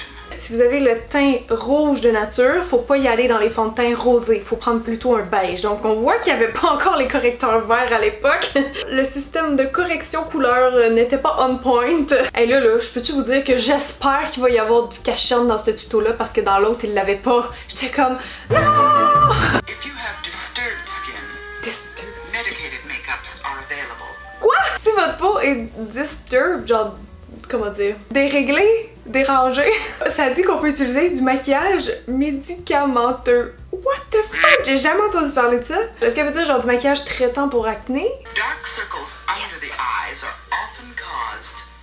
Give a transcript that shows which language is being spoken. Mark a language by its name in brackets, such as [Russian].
[French] Si vous avez le teint rouge de nature, faut pas y aller dans les fonds de teint rosés. Faut prendre plutôt un beige. Donc on voit qu'il y avait pas encore les correcteurs verts à l'époque. Le système de correction couleur n'était pas [English] on point. [French] Et là, je peux-tu vous dire que j'espère qu'il va y avoir du cachet dans ce tuto-là, parce que dans l'autre, il l'avait pas. J'étais comme... non! [English] If you have disturbed skin, medicated makeups are available. [French] Quoi? Si votre peau est disturbed, genre... comment dire? Déréglé? Dérangé? Ça dit qu'on peut utiliser du maquillage médicamenteux. [English] What the fuck? [French] J'ai jamais entendu parler de ça. Est-ce qu'elle veut dire genre du maquillage traitant pour acné? [English] Dark circles under the eyes are often caused